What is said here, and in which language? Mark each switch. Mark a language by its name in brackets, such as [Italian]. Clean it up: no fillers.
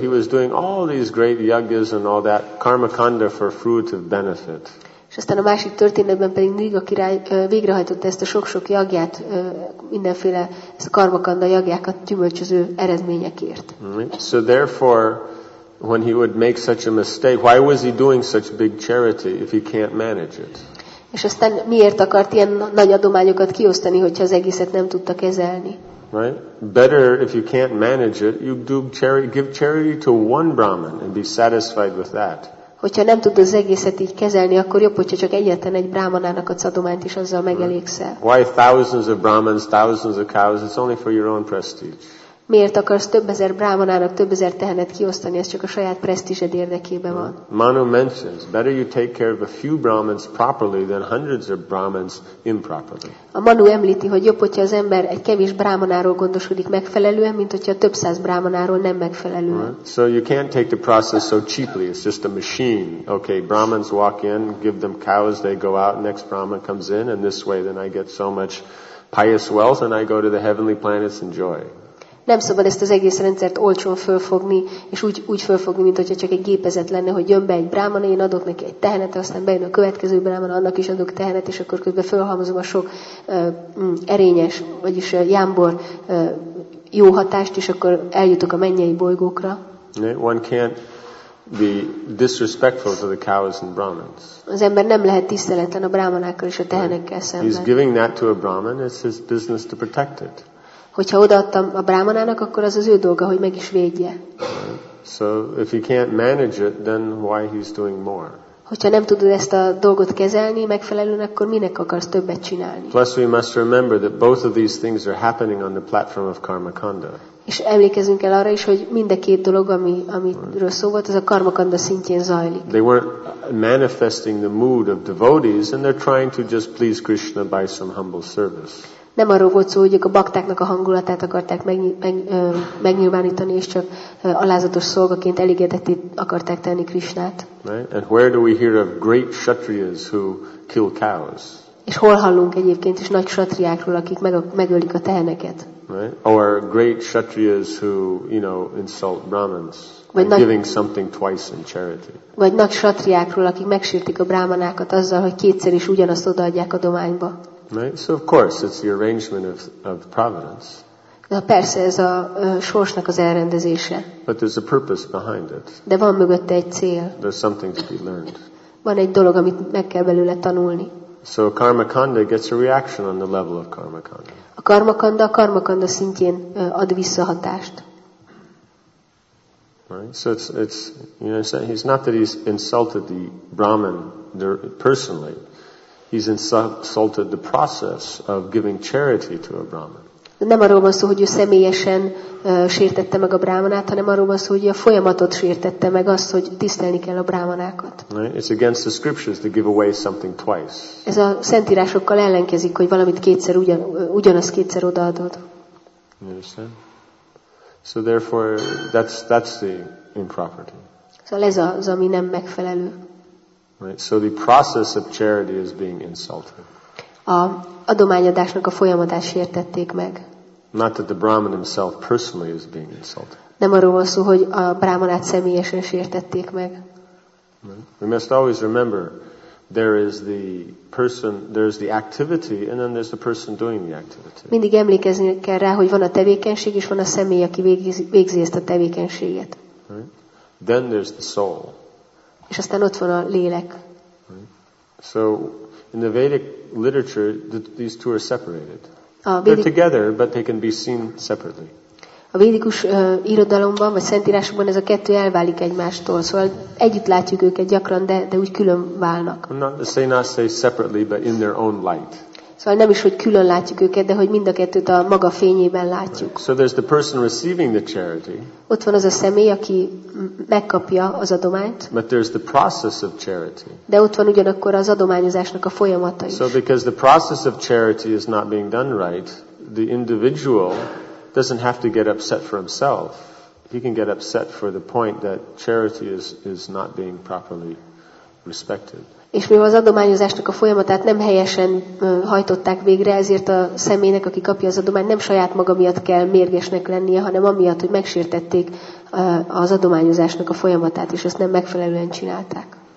[English] He was doing all these great yagyas and all that karmakanda for fruit of benefit. [Hungarian] És aztán a másik történetben pedig Nriga király végrehajtotta ezt a sok-sok yagyát, mindenféle ezt a karmakanda yagyákat gyümölcsöző eredményekért. [English] So therefore, when he would make such a mistake, why was he doing such big charity if he can't manage it? [Hungarian] És aztán miért akart ilyen nagy adományokat kiosztani, hogyha az egészet nem tudta kezelni? [English] Right? Better if you can't manage it, you do charity, give charity to one Brahman and be satisfied with that. [Hungarian] Hogyha nem tudod az egészet így kezelni, akkor jobb, hogyha csak egyetlen egy brahmanának adsz adományt, és azzal megelégszel. [English] Why thousands of Brahmans, thousands of cows? It's only for your own prestige. [Hungarian] Miért akarsz több ezer brahmanának több ezer tehenet kiosztani? Ez csak a saját presztízsed érdekében van. [English] Manu mentions, better you take care of a few brahmans properly than hundreds of brahmans improperly. [Hungarian] A Manu említi, hogy jobb, hogyha az ember egy kevés brahmanáról gondoskodik megfelelően, mint hogyha több száz brahmanáról nem megfelelően. [English] So you can't take the process so cheaply. It's just a machine. Okay, brahmans walk in, give them cows, they go out, next brahman comes in, and this way then I get so much pious wealth and I go to the heavenly planets and joy. [Hungarian] Nem szabad ezt az egész rendszert olcsón fölfogni, és úgy fölfogni, mintha csak egy gépezet lenne, hogy jön be egy brámana, én adok neki egy tehenet, aztán bejön a következő brámana, annak is adok tehenet, és akkor közben fölhalmozom a sok erényes, vagyis jámbor jó hatást, és akkor eljutok a mennyei bolygókra. [English] One can't be disrespectful to the cows and brahmins. [Hungarian] Az ember nem lehet tiszteletlen a brámanákkal és a tehenekkel szemben. [English] He's giving that to a brahman, it's his business to protect it. [Hungarian] Hogyha odaadtam a brámanának, akkor az ő dolga, hogy meg is védje. [English] So if he can't manage it, then why he's doing more? [Hungarian] Hogyha nem tudod ezt a dolgot kezelni megfelelően, akkor minek akarsz többet csinálni? [English] Plus we must remember that both of these things are happening on the platform of karmakanda. [Hungarian] És emlékezünk el arra is, hogy mind a két dolog, amiről szó volt, az a karmakanda szintjén zajlik. [English] They weren't manifesting the mood of devotees, and they're trying to just please Krishna by some humble service. [Hungarian] Nem arról volt szó, hogy ők a baktáknak a hangulatát akarták megnyilvánítani, és csak alázatos szolgaként elégedetté akarták tenni Krishnát. [English] Right? And where do we hear of great kshatriyas who kill cows? [Hungarian] És hol hallunk egyébként is nagy kshatriákról, akik megölik a teheneket? [English] Right? Or great kshatriyas who, you know, insult brahmins by giving something twice in charity. [Hungarian] Vagy nagy kshatriákról, akik megsértik a brahmanákat azzal, hogy kétszer is ugyanazt odaadják adományba. [English] Right? So of course it's the arrangement of providence. [Hungarian] Na persze, ez a sorsnak az elrendezése. [English] But there's a purpose behind it. [Hungarian] De van mögötte egy cél. [English] There's something to be learned. [Hungarian] Van egy dolog, amit meg kell belőle tanulni. [English] So karmakanda gets a reaction on the level of karmakanda. [Hungarian] A karmakanda szintjén ad visszahatást. [English] Right? So it's you know, it's not that he's insulted the Brahman personally. he's insulted the process of giving charity to a Brahman. [Hungarian] Nem arról van szó, hogy ő személyesen sértette meg a brámanát, hanem arról van szó, hogy a folyamatot sértette meg, azt, hogy tisztelni kell a brámanákat. [English] It's against the scriptures to give away something twice. [Hungarian] Ez a szentírásokkal ellenkezik, hogy valamit kétszer ugyanaz kétszer odaadod. [English] Understand? So therefore, that's the improperty. [Hungarian] Szóval ez az, ami nem megfelelő. [English] Right. So the process of charity is being insulted. [Hungarian] A adományadásnak a folyamatát sértették meg. [English] Not that the Brahman himself personally is being insulted. [Hungarian] Nem arról van szó, hogy a brámanát személyesen sértették meg. [English] We must always remember there is the person, there is the activity, and then there's the person doing the activity. [Hungarian] Mindig emlékezni kell rá, hogy van a tevékenység és van a személy, aki végzi ezt a tevékenységet. [English] Right. Then there's the soul. [Hungarian] És aztán ott van a lélek. [English] Right. So in the Vedic literature, these two are separated. They're together, but they can be seen separately. [Hungarian] A védikus irodalomban vagy szentírásokban ez a kettő elválik egymástól, szóval együtt látjuk őket gyakran, de úgy külön válnak. [English] Not say separately, but in their own light. [Hungarian] Szóval nem is, hogy külön látjuk őket, de hogy mind a kettőt a maga fényében látjuk. [English] Right. So there's the person receiving the charity. [Hungarian] Ott van az a személy, aki megkapja az adományt. [English] But there's the process of charity. [Hungarian] De ott van ugyanakkor az adományozásnak a folyamata is. [English] So because the process of charity is not being done right, the individual doesn't have to get upset for himself. He can get upset for the point that charity is not being properly respected. [Hungarian] És mivel az adományozásnak a folyamatát nem helyesen hajtották végre, ezért a személynek, aki kapja az adományt, nem saját maga miatt kell mérgesnek lennie, hanem amiatt, hogy megsértették az adományozásnak a folyamatát, és ezt nem megfelelően csinálták.